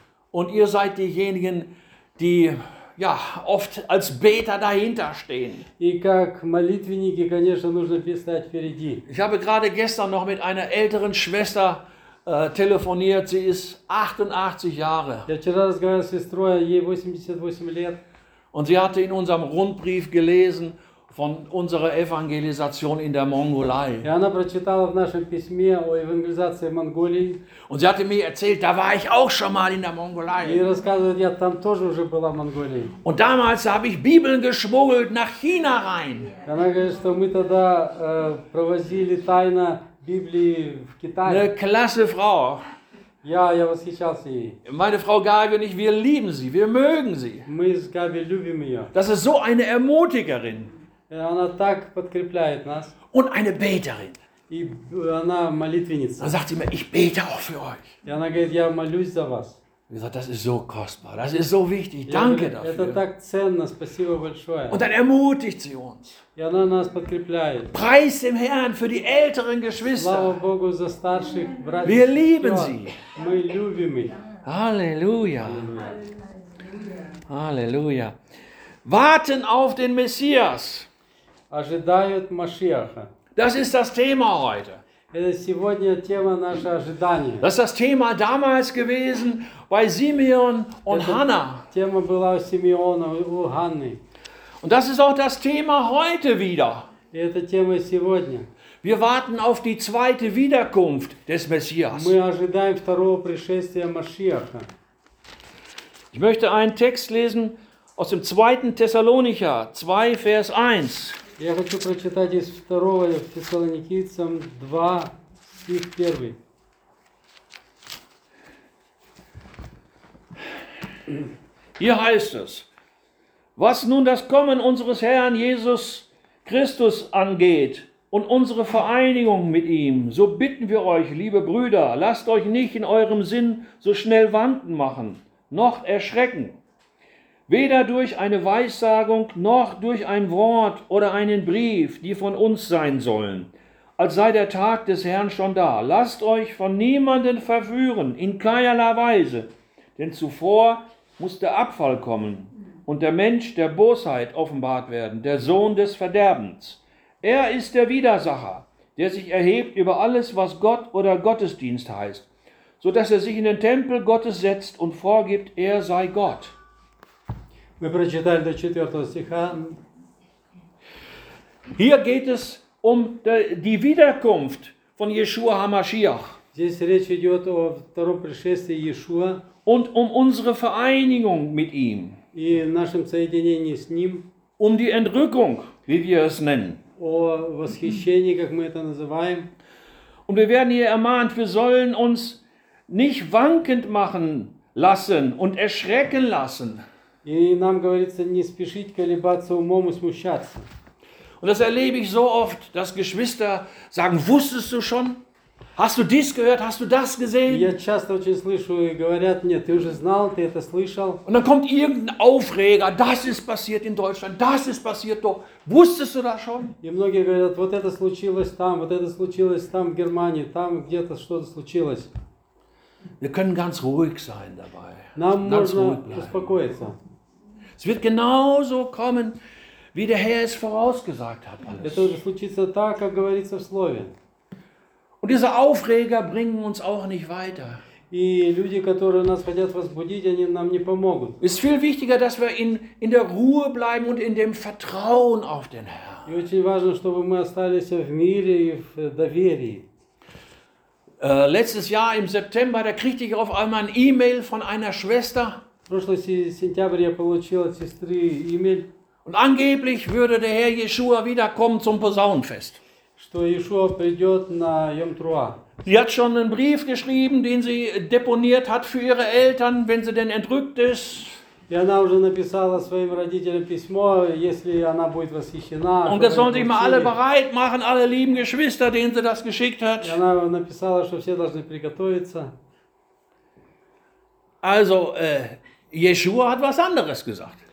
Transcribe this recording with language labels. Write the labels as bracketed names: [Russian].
[German] Und ihr seid diejenigen, die... Ja, oft als Beter dahinter stehen. [Russian] И как молитвенники, конечно, нужно стать впереди. [German] Ich habe gerade gestern noch mit einer älteren Schwester telefoniert. Sie ist 88 Jahre. [Russian] Я вчера разговаривал с сестрой, ей 88 лет. [German] Und sie hatte in unserem Rundbrief gelesen von unserer Evangelisation in der Mongolei. [Russian] И она прочитала в нашем письме о евангелизации в Монголии. [German] Und sie hatte mir erzählt, da war ich auch schon mal in der Mongolei. [Russian] И рассказывает, я там тоже уже была в Монголии. [German] Und damals habe ich Bibeln geschmuggelt nach China rein. [Russian] Она говорит, что мы тогда провозили тайно Библии в Китай. [German] Eine klasse Frau. [Russian] Ja, я восхищался ей. [German] Meine Frau Gabi und ich, wir lieben sie, wir mögen sie. [Russian] Мы с Габи любим ее. [German] Das ist so eine Ermutigerin. [Russian] Она так подкрепляет нас. [German] Und eine Beterin. [Russian] И она молитвенница. [German] Dann sagt sie mir, ich bete auch für euch. [Russian] И она говорит, я молюсь за вас. [German] Und sie sagt, das ist so kostbar, das ist so wichtig, danke dafür. [Russian] Это так ценно, спасибо большое. [German] Und dann ermutigt sie uns. [Russian] И она нас подкрепляет. [German] Preis dem Herrn für die älteren Geschwister. [Russian] Слава Богу за старших братьев. [German] Wir lieben sie. [Russian] Мы любим их. [German] Halleluja. Halleluja. Warten auf den Messias. [Russian] Ожидают Машиаха. [German] Das ist das Thema heute. [Russian] Это сегодня тема нашего ожидания. [German] Das ist das Thema damals gewesen bei Simeon und Hanna. [Russian] Тема была у Симеона и у Ханны. [German] Und das ist auch das Thema heute wieder. [Russian] Это тема сегодня. [German] Wir warten auf die zweite Wiederkunft des Messias. [Russian] Мы ожидаем второго пришествия Машиаха. [German] Ich möchte einen Text lesen aus dem 2. Thessalonicher 2, Vers 1. [Russian] Я хочу прочитать из 2 Фессалоникийцам 2, стих 1. [German] Hier heißt es, was nun das Kommen unseres Herrn Jesus Christus angeht und unsere Vereinigung mit ihm, so bitten wir euch, liebe Brüder, lasst euch nicht in eurem Sinn so schnell wanken machen, noch erschrecken. Weder durch eine Weissagung noch durch ein Wort oder einen Brief, die von uns sein sollen, als sei der Tag des Herrn schon da. Lasst euch von niemanden verführen, in keinerlei Weise, denn zuvor muss der Abfall kommen und der Mensch der Bosheit offenbart werden, der Sohn des Verderbens. Er ist der Widersacher, der sich erhebt über alles, was Gott oder Gottesdienst heißt, so dass er sich in den Tempel Gottes setzt und vorgibt, er sei Gott. [Russian] Мы прочитали до 4 стиха. [German] Hier geht es um die Wiederkunft von Yeshua HaMashiach. [Russian] Здесь речь идет о втором пришествии Иешуа. [German] Und um unsere Vereinigung mit ihm. [Russian] И нашем соединении с ним. [German] Um die Entrückung, wie wir es nennen. [Russian] О восхищении, как мы это называем. [German] Und wir werden hier ermahnt, wir sollen uns nicht wankend machen lassen und erschrecken lassen. [Russian] И нам говорится не спешить колебаться умом и смущаться. [German] Und das erlebe ich so oft, dass Geschwister sagen, wusstest du schon? Hast du dies gehört? Hast du das gesehen? [Russian] Я часто очень слышу и говорят мне: ты уже знал, ты это слышал. [German] Und dann kommt irgendein Aufreger: das ist passiert in Deutschland, das ist passiert dort. Wusstest du das schon? [Russian] И многие говорят: вот это случилось там, вот это случилось там в Германии, там где-то что-то случилось. [German] Wir können ganz ruhig sein dabei. [Russian] Нам можно успокоиться. [German] Es wird genauso kommen, wie der Herr es vorausgesagt hat. [Russian] Это уже случится так, как говорится в слове. [German] Und diese Aufreger bringen uns auch nicht weiter. [Russian] И люди, которые нас хотят возбудить, они нам не помогут. [German] Es ist viel wichtiger, dass wir in der Ruhe bleiben und in dem Vertrauen auf den Herrn. [Russian] И очень важно, чтобы мы остались в мире и в доверии. [German] Letztes Jahr im September, da kriegte ich auf einmal ein E-Mail von einer Schwester. [Russian] Прошлый сентябрь я получил от сестры E-Mail. [German] Und angeblich würde der Herr Yeshua wiederkommen zum Posaunenfest. [Russian] Что Иешуа придёт на Йом-Труа. [German] Sie hat schon einen Brief geschrieben, den sie deponiert hat für ihre Eltern, wenn sie denn entrückt ist. [Russian] И она уже написала своим родителям письмо, если она будет восхищена. [German] Und das sollen sie mal alle bereit machen, alle lieben Geschwister, denen sie das geschickt hat. [Russian] И она написала, что все должны приготовиться. [German] Also, Иешуа hat was anderes gesagt.